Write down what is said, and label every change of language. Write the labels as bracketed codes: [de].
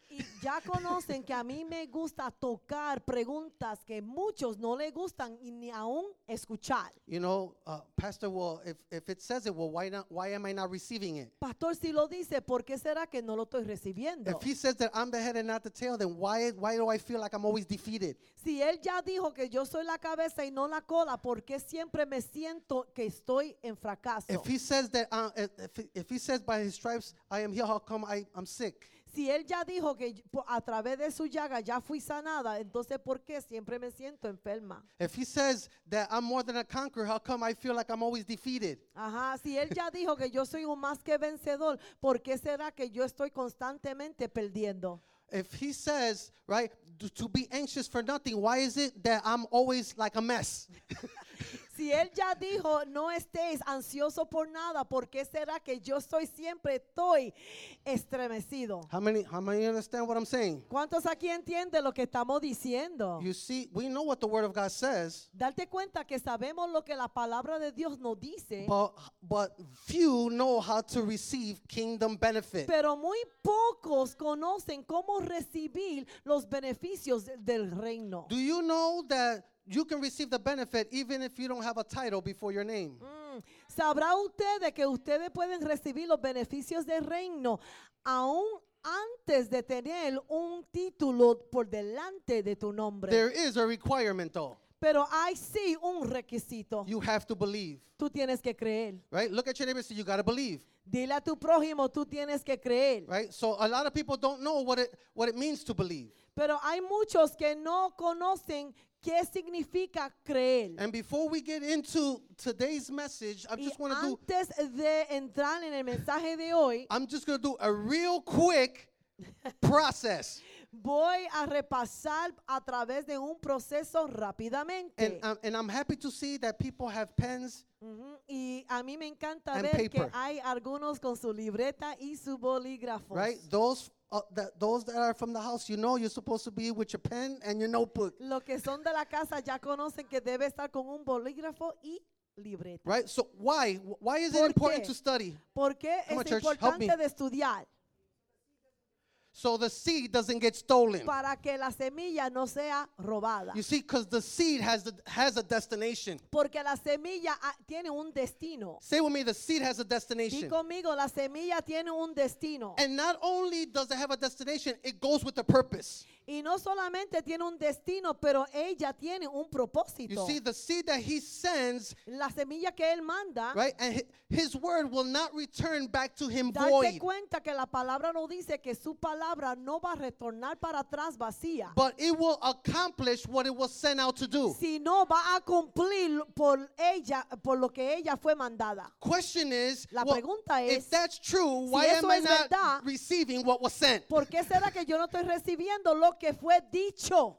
[es] Y ya conocen que a mí me gusta tocar preguntas que muchos no le gustan y ni aún escuchar. [en] You know, Pastor, well, if it says it, well, why am I not receiving it? [es] Pastor, si lo dice, ¿por qué será que no lo estoy recibiendo? [en] If he says that I'm the head and not the tail, then why do I feel like I'm always defeated? [es] Si él ya dijo que yo soy la cabeza y no la cola, ¿por qué siempre me siento que estoy en fracaso? [en] If he says that if he says by his stripes I am healed, how come I'm sick? [es] Si él ya dijo que a través de su llaga ya fui sanada, entonces ¿por qué siempre me siento enferma? [en] If he says that I'm more than a conqueror, how come I feel like I'm always defeated? [es] Ajá, si él ya dijo que yo soy un más que vencedor, ¿por qué será que yo estoy constantemente perdiendo? [en] If he says, right, to be anxious for nothing, why is it that I'm always like a mess? [es] Si él ya dijo, no estés ansioso por nada, ¿por qué será que yo soy siempre estoy estremecido? [en] How many understand what I'm saying? [es] ¿Cuántos aquí entienden lo que estamos diciendo? [en] You see, we know what the word of God says. [es] Date cuenta que sabemos lo que la palabra de Dios nos dice. [en] But few know how to receive kingdom benefit. [es] Pero muy pocos conocen cómo recibir los beneficios del reino. [en] Do you know that you can receive the benefit even if you don't have a title before your name? [es] ¿Sabrá usted que ustedes pueden recibir los beneficios del reino aún antes de tener un título por delante de tu nombre? [en] There is a requirement though. [es] Pero [en] I see [es] un requisito. [en] You have to believe. [es] Tú tienes que creer. [en] Right? Look at your neighbor and say, you got to believe. [es] Dile a tu prójimo, tú tienes que creer. [en] Right? So a lot of people don't know what it means to believe. [es] Pero hay muchos que no conocen qué significa creer. [en] And before we get into today's message, I just want to do... [es] Antes de entrar en el mensaje de hoy, [en] I'm just going to do a real quick process. [es] Voy a repasar a través de un proceso rápidamente. [en] And I'm happy to see that people have pens. [es] Mm-hmm. Y a mí me encanta ver [en] paper. [es] Que hay algunos con su libreta y su bolígrafo. [en] Right? Those that are from the house, you know, you're supposed to be with your pen and your notebook. [es] Los que son de la casa ya conocen que debe estar con un bolígrafo y libreta. [en] Right? So why is it important to study? [es] ¿Por qué es importante de estudiar? [en] So the seed doesn't get stolen. [es] Para que la semilla no sea robada. [en] You see, because the seed has a destination. [es] Porque la semilla tiene un destino. [en] Say with me, the seed has a destination. [es] Dí conmigo, la semilla tiene un destino. [en] And not only does it have a destination, it goes with a purpose. [es] Y no solamente tiene un destino, pero ella tiene un propósito. [en] You see, the seed that he sends, [es] la semilla que él manda, [en] right? And his word will not return back to him [es] date [en] void. [es] Date cuenta que la palabra no dice que su palabra no va a retornar para atrás vacía. [en] But it will accomplish what it was sent out to do. [es] Sino va a cumplir por ella, por lo que ella fue mandada. [en] Question is, [es] la pregunta [en] well, [es] es, [en] if that's true, why [es] si [en] am I not [es] verdad, [en] receiving what was sent? [es] ¿Por qué será que yo no estoy recibiendo lo que fue dicho?